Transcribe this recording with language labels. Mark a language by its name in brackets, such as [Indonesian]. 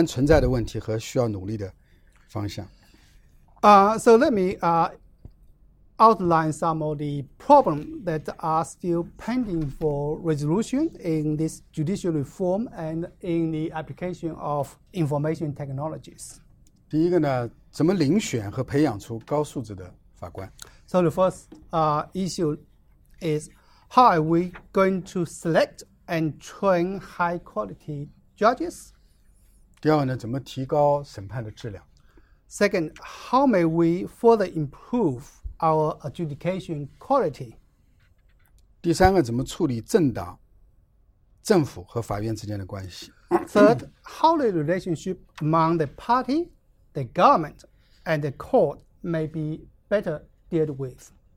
[Chinese] 第六个我就觉得我们仍然存在的问题和需要努力的方向。 [English] So let me outline some of the problems that are still pending for resolution in this judicial reform and in the application of information technologies. [Chinese] 第一个呢, 怎么遴选和培养出高素质的法官? [English] So the first issue is how are we going to select and train high quality judges? [Chinese] 第二呢, 怎么提高审判的质量? [English] Second, how may we further improve our adjudication quality? [Chinese] 第三个怎么处理政党、政府和法院之间的关系? [English] Third, how the relationship among the party, the government, and the court may be better dealt with?